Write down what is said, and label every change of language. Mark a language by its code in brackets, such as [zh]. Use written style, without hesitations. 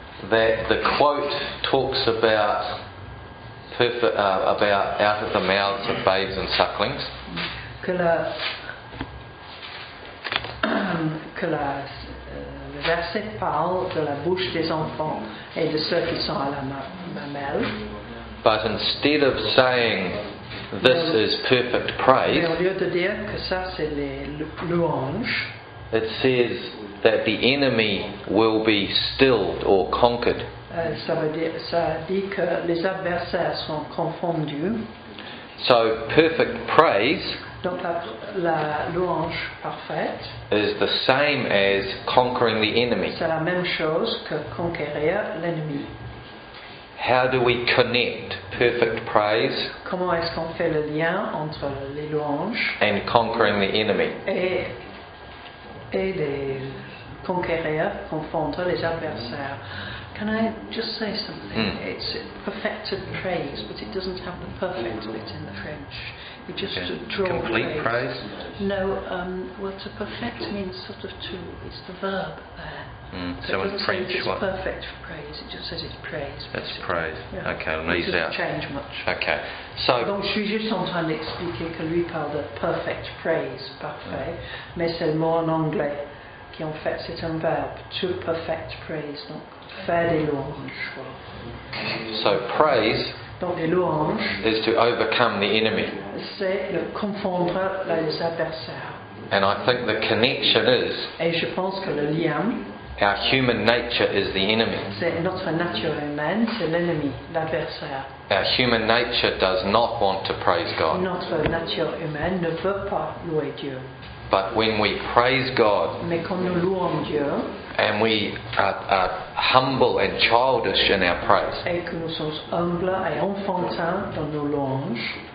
[en] That the quote talks about about out of the mouths of babes and sucklings. [fr] Que le verset parle de la bouche des enfants et de ceux qui sont à la mamelle. [en] But instead of saying this is perfect praise, [fr] mais au lieu de dire que ça c'est les louanges, [en] it says that the enemy will be stilled or conquered. [fr] Ça dit que les adversaires sont confondus. [en] So perfect praise, [fr] donc la louange parfaite, [en] is the same as conquering the enemy. [fr] C'est la même chose que conquérir l'ennemi. [en] How do we connect perfect praise? [fr] Comment est-ce qu'on fait le lien entre les louanges [en] and conquering the enemy? [fr] Et les conquérir, confondre les adversaires. [en] Can I just say something? Mm. It's perfected praise, but it doesn't have the perfect bit in the French. You just draw complete praise. Praise? No, to perfect means sort of to, it's the verb there. Mm. So in French, it's what? It's perfect for praise, it just says it's praise. That's praise. Yeah. Okay, I'll leave it out. It doesn't change much. Okay. So, [fr] donc, je suis juste en train d'expliquer que lui parle de [en] perfect praise, [fr] parfait, mais c'est le mot en anglais. Qui en fait c'est un verbe, [en] to perfect praise, [fr] donc faire des louanges. [en] So praise, [fr] donc les louanges, [en] is to overcome the enemy. [fr] C'est le confondre les adversaires. [en] And I think the connection is, [fr] et je pense que le lien, [en] our human nature is the enemy. [fr] C'est notre nature humaine, c'est l'ennemi, l'adversaire. [en] Our human nature does not want to praise God. [fr] Notre nature humaine ne veut pas louer Dieu. [en] But when we praise God, [fr] mais quand nous louons Dieu, [en] and we are humble and childish in our praise, [fr] et que nous sommes humbles et enfantins dans nos louanges,